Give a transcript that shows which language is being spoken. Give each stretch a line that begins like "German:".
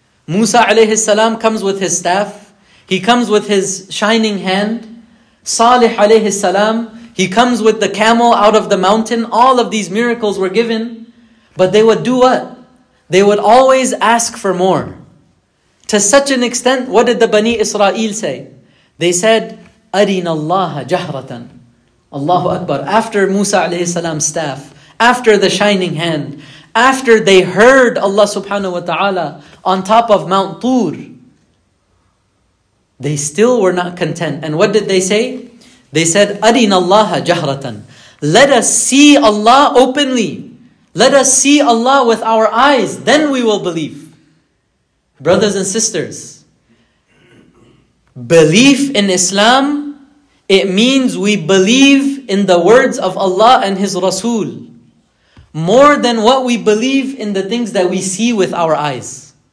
English: Musa alayhi salam comes with his staff. He comes with his shining hand. Salih alayhi salam, he comes with the camel out of the mountain. All of these miracles were given. But they would do what? They would always ask for more. To such an extent, what did the Bani Israel say? They said,
Arabic: أَرِنَ اللَّهَ جَهْرَةً.
English: Allahu Akbar. After Musa alayhi salam's staff, after the shining hand, after they heard Allah subhanahu wa ta'ala on top of Mount Tur, they still were not content. And what did they say? They said,
Arabic: أَرِنَ اللَّهَ جَهْرَةً.
English: Let us see Allah openly. Let us see Allah with our eyes. Then we will believe. Brothers and sisters, belief in Islam, it means we believe in the words of Allah and His Rasul more than what we believe in the things that we see with our eyes.